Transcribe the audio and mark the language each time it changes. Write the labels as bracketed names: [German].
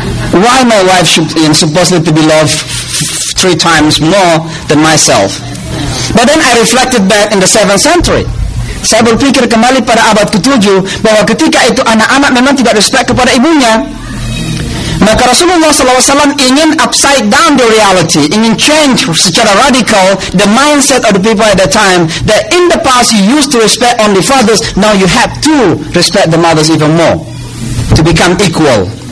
[English] Why my wife should supposedly to be loved 3 times more than myself? But then I reflected back in the 7th century. [Indonesian] Saya berpikir kembali pada abad ke-7, bahwa ketika itu anak-anak memang tidak respect kepada ibunya. Maka Rasulullah SAW ingin [English] upside down the reality, ingin change secara radical the mindset of the people at that time, that in the past you used to respect only fathers, now you have to respect the mothers even more, to become equal.